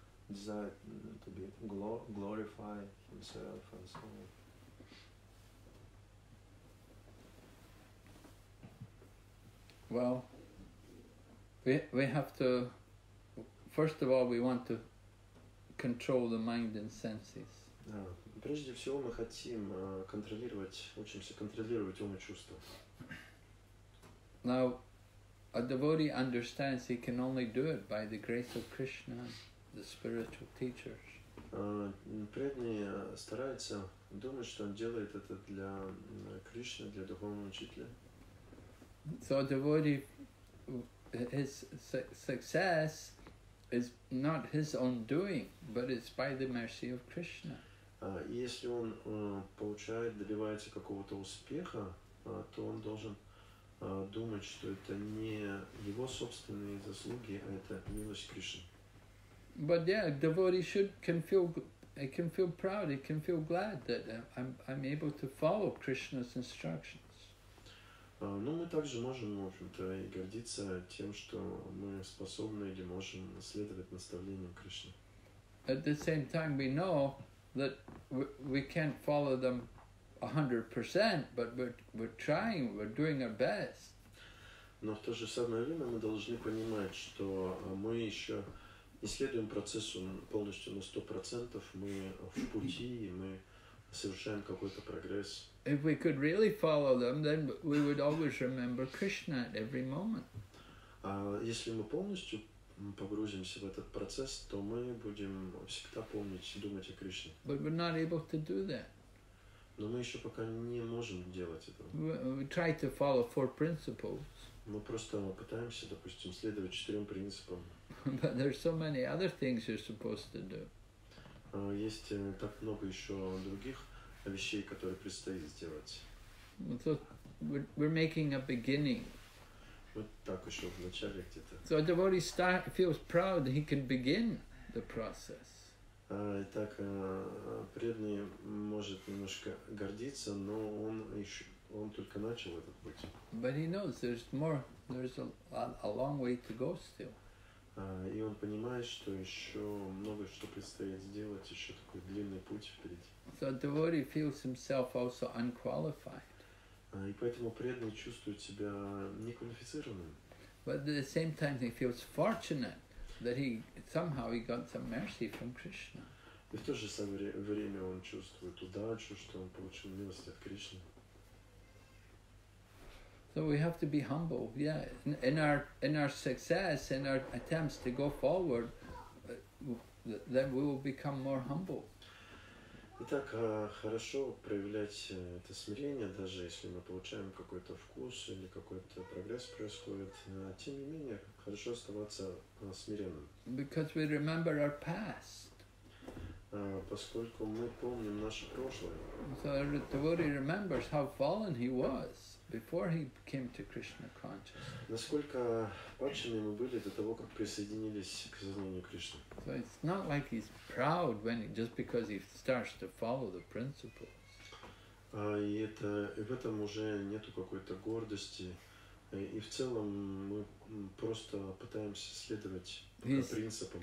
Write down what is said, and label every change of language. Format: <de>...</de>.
<en>Desire to be glorify himself and so on. Well, we have to, first of all, we want to control the mind and senses.</en> <ru>Да, прежде всего мы хотим учимся контролировать ум и чувства.</ru> <en>Now, a devotee understands he can only do it by the grace of Krishna, the spiritual teachers.</en> <ru>Преданный старается думать, что он делает это для Кришны, для духовного учителя.</ru> <en>So a devotee, his success is not his own doing, but it's by the mercy of Krishna.</en> <ru>Если он добивается какого-то успеха, то он должен думать, что это не его собственные заслуги, а это милость Кришны.</ru> <en>But yeah, a devotee can feel proud, he can feel glad that I'm able to follow Krishna's instructions.</en> <ru>Мы также можем, в общем-то, и гордиться тем, что мы способны или можем следовать наставлениям Кришны.</ru> <en>At the same time, we know that we can't follow them 100%, but we're trying, we're doing our best.</en> <ru>Но в то же самое время мы должны понимать, что мы еще исследуем процессу полностью на 100%, мы в пути, и мы совершаем какой-то прогресс.</ru> <en>If we could really follow them, then we would always remember Krishna at every moment.</en> <ru>Если мы полностью мы погрузимся в этот процесс, то мы будем всегда помнить и думать о Кришне.</ru> <en>But we're not able to do that.</en> <ru>Но мы еще пока не можем делать этого.</ru> <en>We try to follow four principles.</en> <ru>Мы просто пытаемся, допустим, следовать четырем принципам.</ru> <en>But there's so many other things you're supposed to do.</en> <ru>Есть так много еще других вещей, которые предстоит сделать.</ru> <en>So we're making a beginning.</en> <ru>Вот так еще в начале где-то.</ru> <en>So a devotee feels proud that he can begin the process.</en> <ru>Итак, преданный может немножко гордиться, но он еще он только начал этот путь.</ru> <en>But he knows there's more. There's a long way to go still.</en> <ru>И он понимает, что еще многое, что предстоит сделать, еще такой длинный путь впереди.</ru> <en>So devotee feels himself also unqualified.</en> <ru>И поэтому преданный чувствует себя неквалифицированным.</ru> <en>But at the same time he feels fortunate that he somehow he got some mercy from Krishna.</en> <ru>И в то же самое время он чувствует удачу, что он получил милость от Кришны.</ru> <en>So we have to be humble, yeah. In our success, in our attempts to go forward, then we will become more humble.</en> <ru>Итак, хорошо проявлять это смирение, даже если мы получаем какой-то вкус или какой-то прогресс происходит. Тем не менее, хорошо оставаться смиренным.</ru> <en>Because we remember our past.</en> <ru>Поскольку мы помним наше прошлое.</ru> <en>So the devotee remembers how fallen he was. Before he came to Krishna consciousness.</en> <ru>Насколько падшими мы были до того, как присоединились к сознанию Кришны.</ru> <en>So it's not like he's proud when just because he starts to follow the principles.</en> <ru>И в этом уже нету какой-то гордости. И в целом мы просто пытаемся следовать принципам.</ru>